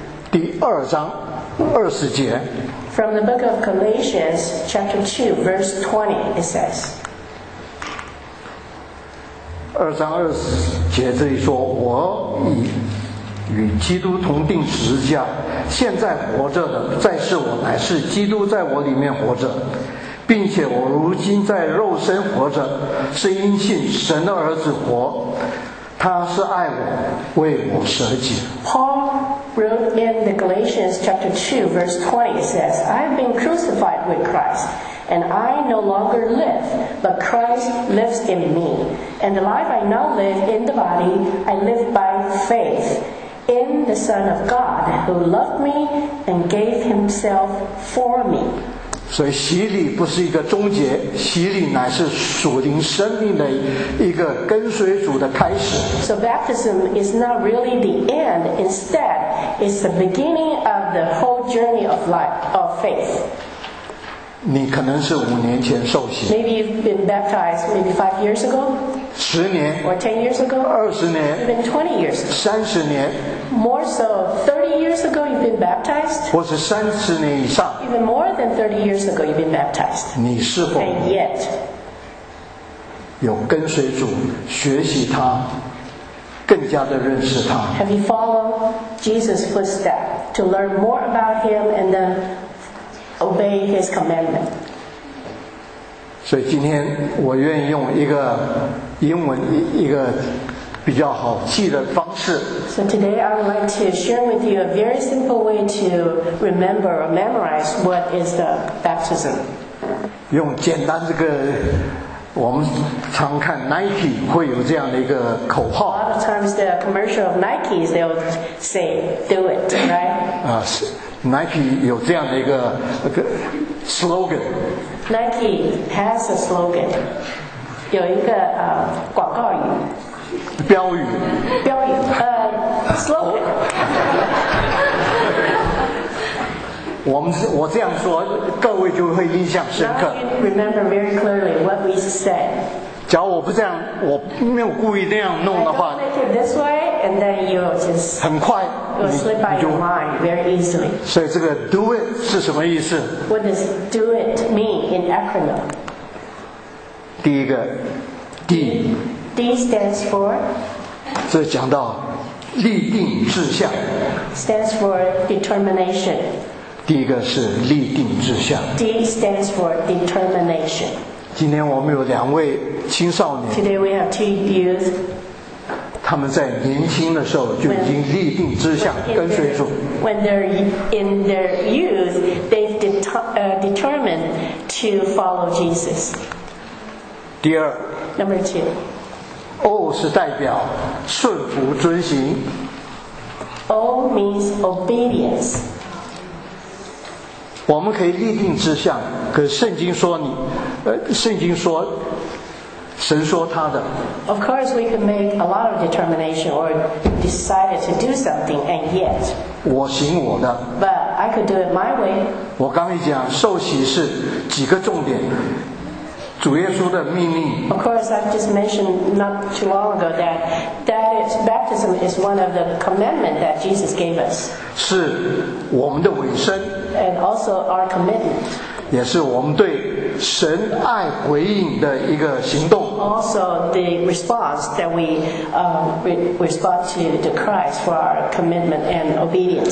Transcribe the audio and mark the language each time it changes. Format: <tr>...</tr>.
<zh>第二章二十节。</zh> <en>From the book of Galatians, chapter 2, verse 20, it says.</en> <zh>二章二十节这里说，我已与基督同钉十字架，现在活着的，再是我，乃是基督在我里面活着。并且我如今在肉身活着，是因信神的儿子活，他是爱我，为我舍己。</zh> <en>Paul wrote in the Galatians chapter 2 verse 20, it says, I have been crucified with Christ, and I no longer live, but Christ lives in me. And the life I now live in the body, I live by faith in the Son of God, who loved me and gave himself for me.</en> <zh>所以洗礼不是一个终结，洗礼乃是属灵生命的一个跟随主的开始。</zh> <en>So baptism is not really the end, instead, it's the beginning of the whole journey of life, of faith.</en> <zh>你可能是五年前受洗。</zh> <en>Maybe you've been baptized maybe 5 years ago.</en> <zh>十年。</zh> <en>Or 10 years ago. 20 years. Even 20 years. 30 years. More so, 30 years ago you've been baptized.</en> <zh>或是30年以上。</zh> <en>Even more than 30 years ago you've been baptized.</en> <zh>你是否</zh> <en>And yet,</en> <zh>有跟随主学习他，更加的认识他。</zh> <en>Have you followed Jesus' footstep to learn more about him and then obey his commandment?</en> <zh>所以今天我愿意用一个英文一个比较好记的方式。</zh> <en>So today I would like to share with you a very simple way to remember or memorize what is the baptism.</en> <zh>用简单这个，我们常看 Nike 会有这样的一个口号。</zh> <en>A lot of times the commercial of Nike is they'll say, "Do it," right?</en> <zh>啊，是 Nike 有这样的一个slogan.</zh> <en>Nike has a slogan.</en> <zh>有一个广告语。标语，标语，slogan。我这样说，各位就会印象深刻。</zh> <en>Now you remember very clearly what we said.</en> <zh>假如我不这样，我没有故意那样弄的话</zh> <en>，I don't make it this way, and then you just</en> <zh>很快</zh> <en>，you slip by your mind very easily.</en> <zh>所以这个 do it 是什么意思</zh> <en>？What does do it mean in acronym？</en> <zh>第一个 D。</zh> <en>D stands for.</en> <zh>这讲到立定志向。</zh> <en>Stands for determination.</en> <zh>第一个是立定志向。</zh> <en>D stands for determination.</en> <zh>今天我们有两位青少年。</zh> <en>Today we have two youth.</en> <zh>他们在年轻的时候就已经立定志向跟随主。</zh> <en>When they're in their youth, they've determined to follow Jesus.</en> <zh>第二。</zh> <en>Number two.</en> <zh>O 是代表顺服遵行。</zh> <en>O means obedience.</en> <zh>我们可以立定志向，可是圣经说你，圣经说，神说他的。</zh> <en>Of course, we can make a lot of determination or decided to do something, and yet.</en> <zh>我行我的。</zh> <en>But I could do it my way.</en> <zh>我刚一讲受洗是几个重点。主耶稣的命令。</zh> <en>Of course, I've just mentioned not too long ago that is, baptism is one of the commandments that Jesus gave us.</en> <zh>是我们的委身。</zh> <en>And also our commitment.</en> <zh>也是我们对神爱回应的一个行动。</zh> <en>Also the response that we respond to the Christ for our commitment and obedience.</en>